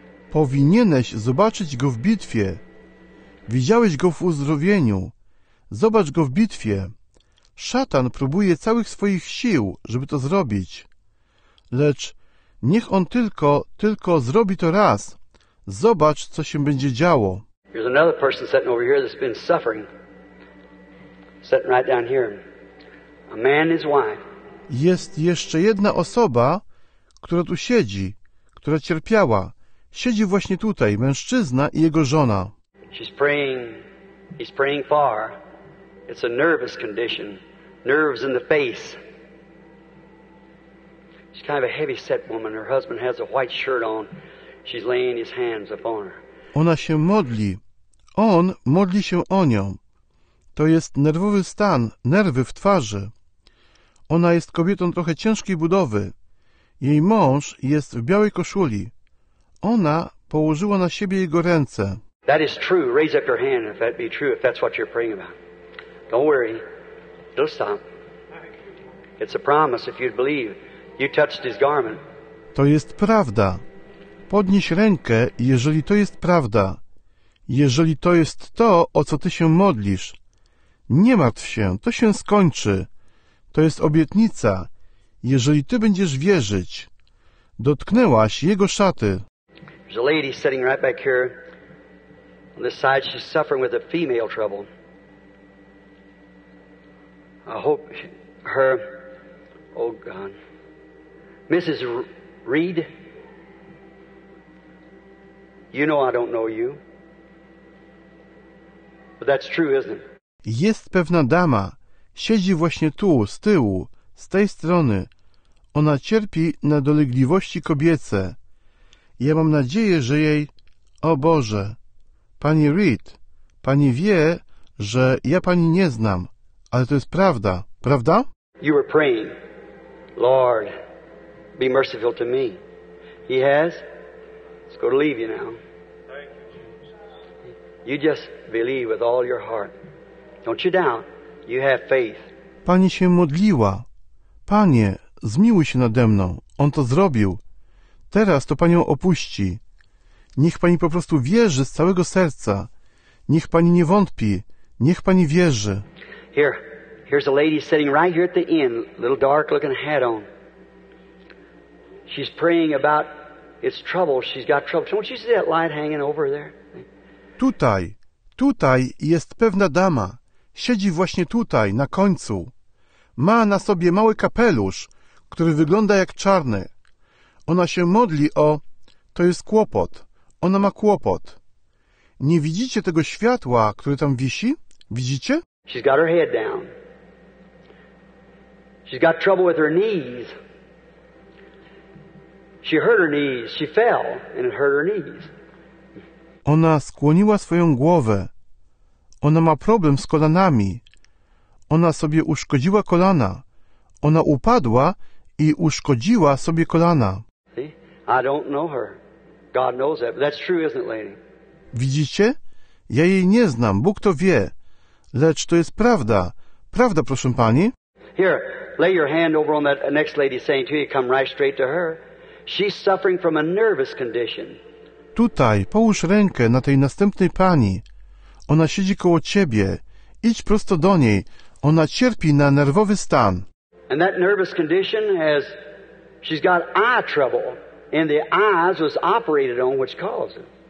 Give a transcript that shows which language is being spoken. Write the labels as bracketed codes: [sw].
[pl] Powinieneś zobaczyć go w bitwie. Widziałeś go w uzdrowieniu. Zobacz go w bitwie. Szatan próbuje całych swoich sił, żeby to zrobić. Lecz niech on tylko zrobi to raz. Zobacz, co się będzie działo. [en] There's another person sitting over here that's been suffering. Sitting right down here. A man and his wife. [pl] Jest jeszcze jedna osoba, która tu siedzi, która cierpiała. Siedzi właśnie tutaj, mężczyzna i jego żona. [en] She's praying. He's praying far. It's a nervous condition, nerves in the face. She's kind of a heavy-set woman. Her husband has a white shirt on. She's laying his hands upon her. [pl] Ona się modli. On modli się o nią. To jest nerwowy stan, nerwy w twarzy. Ona jest kobietą trochę ciężkiej budowy. Jej mąż jest w białej koszuli. Ona położyła na siebie jego ręce. [en] That is true. Raise up your hand if that be true, if that's what you're praying about. Don't worry, it'll stop. It's a promise if you'd believe. You touched his garment. [pl] To jest prawda. Podnieś rękę, jeżeli to jest prawda. Jeżeli to jest to, o co ty się modlisz. Nie martw się, to się skończy. To jest obietnica. Jeżeli ty będziesz wierzyć, dotknęłaś jego szaty. [en] There's a lady sitting right back here on this side. She's suffering with a female trouble. I hope her, oh God, Mrs. Reed, you know I don't know you, but that's true, isn't it? [pl] Jest pewna dama, siedzi właśnie tu, z tyłu, z tej strony. Ona cierpi na dolegliwości kobiece. Ja mam nadzieję, że jej... O Boże! Pani Reed, pani wie, że ja pani nie znam, ale to jest prawda, prawda? [en] You were praying, Lord, be merciful to me. He has. It's going to leave you now. You just believe with all your heart. Don't you doubt. You have faith. [pl] Pani się modliła. Panie, zmiłuj się nade mną. On to zrobił. Teraz to panią opuści. Niech pani po prostu wierzy z całego serca. Niech pani nie wątpi. Niech pani wierzy. [en] Here. Here's a lady sitting right here at the end, little dark looking hat on. She's praying about its trouble. She's got trouble. Don't you see that light hanging over there? [pl] Tutaj. Tutaj jest pewna dama. Siedzi właśnie tutaj, na końcu. Ma na sobie mały kapelusz, który wygląda jak czarny. Ona się modli o... To jest kłopot. Ona ma kłopot. Nie widzicie tego światła, które tam wisi? Widzicie? [en] She's got her head down. She's got trouble with her knees. She hurt her knees. She fell and it hurt her knees. [pl] Ona skłoniła swoją głowę. Ona ma problem z kolanami. Ona sobie uszkodziła kolana. Ona upadła i uszkodziła sobie kolana. [en] I don't know her. God knows that. That's true, isn't it, lady? [pl] Widzicie? Ja jej nie znam. Bóg to wie. Lecz to jest prawda. Prawda, proszę pani? [en] Here, lay your hand over on that next lady saying to you, come right straight to her. She's suffering from a nervous condition. [pl] Tutaj, połóż rękę na tej następnej pani. Ona siedzi koło ciebie. Idź prosto do niej. Ona cierpi na nerwowy stan. [en] And that nervous condition has, she's got eye trouble. And the eyes was operated on which caused it.